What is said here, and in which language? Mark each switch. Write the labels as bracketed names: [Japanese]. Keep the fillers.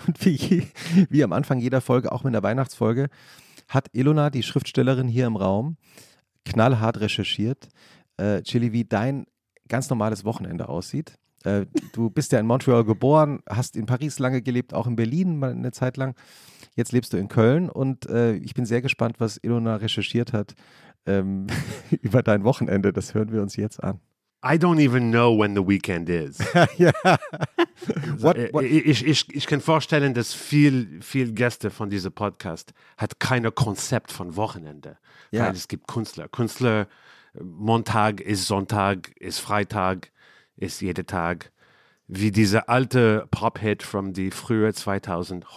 [German] Und wie, wie am Anfang jeder Folge, auch in der Weihnachtsfolge, hat Ilona, die Schriftstellerin hier im Raum, knallhart recherchiert, äh, Chili, wie dein ganz normales Wochenende aussieht du bist ja in Montreal geboren, hast in Paris lange gelebt, auch in Berlin mal eine Zeit lang. Jetzt lebst du in Köln und äh, ich bin sehr gespannt, was Ilona recherchiert hat ähm, über dein Wochenende. Das hören wir uns jetzt an. [English] I don't even know when the weekend is. ja. what, what? [German] Ich, ich, ich kann vorstellen, dass viel, viel Gäste von diesem Podcast hat keine Konzept von Wochenende. Yeah. Ja. es gibt Künstler. Künstler, Montag ist Sonntag, ist Freitag ist jeder Tag wie dieser alte Pop-Hit from die frühe 2000.